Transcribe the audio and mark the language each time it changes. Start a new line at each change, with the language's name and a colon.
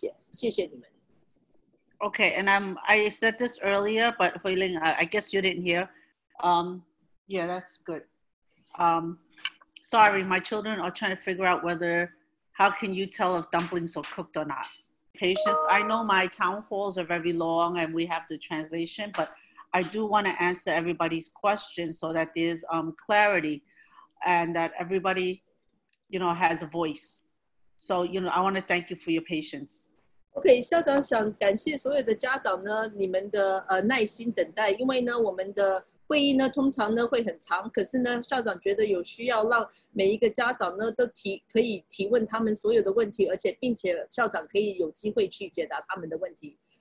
Chinese: 因为我们现在在录音，所以呢，如果你们按静音的话呢，我们就不会录到任何的杂音，而且也可以听到更轻声一些。谢谢你们。Okay,
English: and I said this earlier, but Huling, I guess you didn't hear. Yeah, that's good. Sorry, my children are trying to figure out whether how can you tell if dumplings are cooked or not. Patience. I know my town halls are very long, and we have the translation, but I do want to answer everybody's questions so that there's clarity and that everybody, you know, has a voice. So, you know, I want to thank you for your patience.
Chinese: Okay, 校长想感谢所有的家长呢，你们的耐心等待，因为呢，我们的会议呢通常呢会很长，可是呢，校长觉得有需要让每一个家长呢都提可以提问他们所有的问题，而且并且校长可以有机会去解答他们的问题。